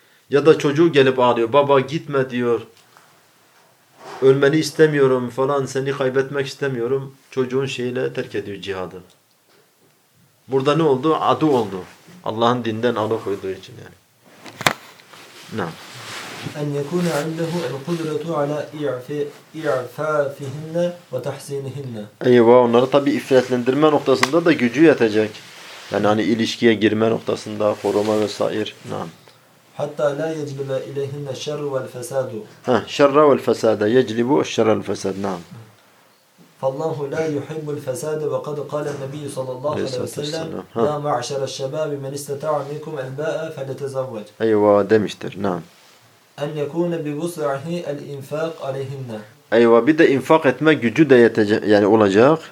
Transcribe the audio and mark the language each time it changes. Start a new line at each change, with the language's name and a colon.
Turkish: Ya da çocuğu gelip ağlıyor. Baba gitme diyor. Ölmeni istemiyorum falan. Seni kaybetmek istemiyorum. Çocuğun şeyle terk ediyor cihadı. Burada ne oldu? Adı oldu. Allah'ın dinden alıkoyduğu için yani. Nam.
Arabic: أن يكون عنده القدرة على إعفافهن وتحسينهن.
Turkish: أيوة، onları tabi iffetlendirme noktasında da gücü yetecek. Yani hani ilişkiye girme noktasında koruma vesaire. Nam.
Arabic: حتى لا يجلب إليهن الشر والفساد. Ha, شر والفساد. يجلب الشر والفساد. نعم. فالله لا يحب الفساد وقد قال النبي صلى الله عليه وسلم: يا معشر الشباب من استطاع منكم الباءة فليتزوج.
Turkish: أيوة، demiştir.
Arabic: نعم. أن يكون بوسعه الإنفاق عليهن. أيوة بده
Turkish: إنفاق etme gücü de yetecek yani olacak.